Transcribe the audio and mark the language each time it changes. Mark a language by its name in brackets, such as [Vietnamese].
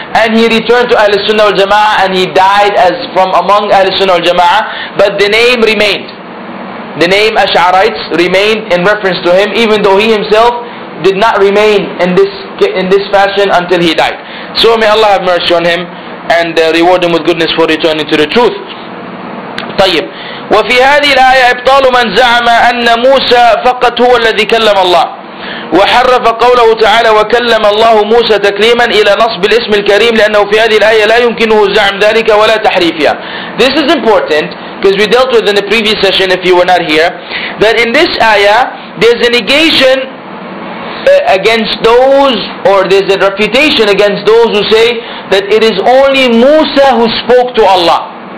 [English] And he returned to Ahl-Sunnah al-Jama'ah, and he died as from among Ahl-Sunnah al-Jama'ah. But the name remained. The name Ash'arites remained in reference to him, even though he himself did not remain in this fashion until he died. So may Allah have mercy on him and reward him with goodness for returning to the truth. [Arabic] طيب. وفي هذه الآية إبطال من زعم أن موسى فقط هو الذي كلم الله وحرف قوله تعالى وكلم الله موسى تكليما إلى نصب الاسم الكريم لأنه في هذه الآية لا يمكنه زعم ذلك ولا تحريفها. [English] This is important because we dealt with in the previous session, if you were not here, that in this ayah there's a negation against those, or there's a refutation against those who say that it is only Musa who spoke to Allah.